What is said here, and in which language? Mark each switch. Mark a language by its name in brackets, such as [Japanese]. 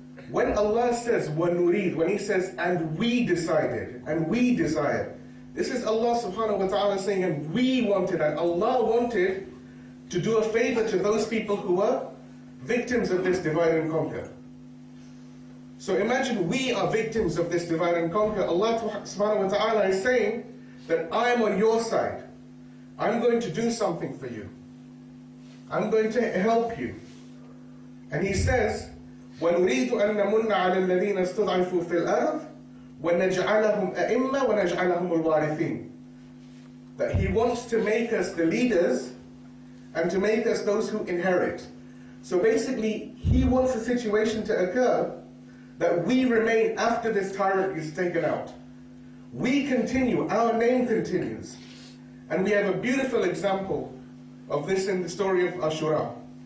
[English] When Allah says وَنُرِيد, when He says and we decided, and we desired, this is Allah subhanahu wa ta'ala saying and we wanted, and Allah wanted to do a favor to those people who were victims of this divide and conquer. So imagine we are victims of this divide and conquer. Allah subhanahu wa ta'ala is saying that I am on your side. I'm going to do something for you. I'm going to help you. And He says, [Arabic] وَنُرِيدُ أَن نَمُنَّ عَلَى الَّذِينَ اسْتُضْعِفُوا فِي الْأَرْضِ وَنَجْعَلَهُمْ أَئِمَّا وَنَجْعَلَهُمُ الْوَارِثِينَ. [English] That He wants to make us the leaders and to make us those who inherit. So basically, He wants a situation to occur that we remain after this tyrant is taken out. We continue, our name continues. And we have a beautiful example of this in the story of Ashura.